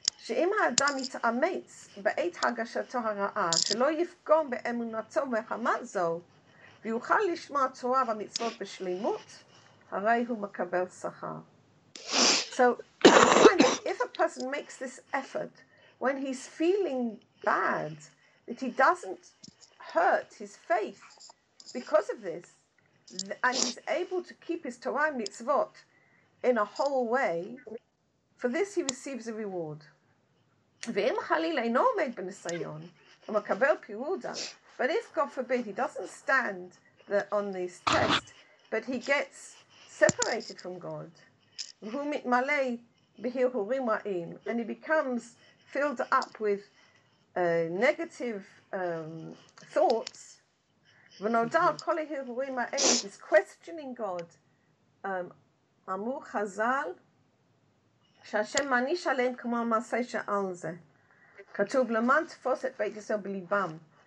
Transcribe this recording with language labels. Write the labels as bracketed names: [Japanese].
[Hebrew] שאם האדם יתאמץ בעת הגשתו הרעה, שלא יפגום באמונתו מחמת זו, ויוכל לשמוע תורה ומצוות בשלימות, הרי הוא מקבל שכר. [English] So, if a person makes this effort, when he's feeling bad, that he doesn't hurt his faith because of this, and he's able to keep his Torah and mitzvot in a whole way, for this he receives a reward. [Hebrew] ואם חליל אינו עומד בניסיון, הוא מקבל פירודה. [English] But if, God forbid, he doesn't stand on this test, but he gets separated from God, [Hebrew] והוא מתמלא בהרהורים רעים, [English] and he becomes filled up with negative thoughts, [Hebrew] ונודע כל ההרהורים האלה, [English] he's questioning God. [Hebrew] אמרו חז"ל, שהשם מעניש עליהם כמו המעשה שעל זה. כתוב למען תפוס את בית ישראל בליבם.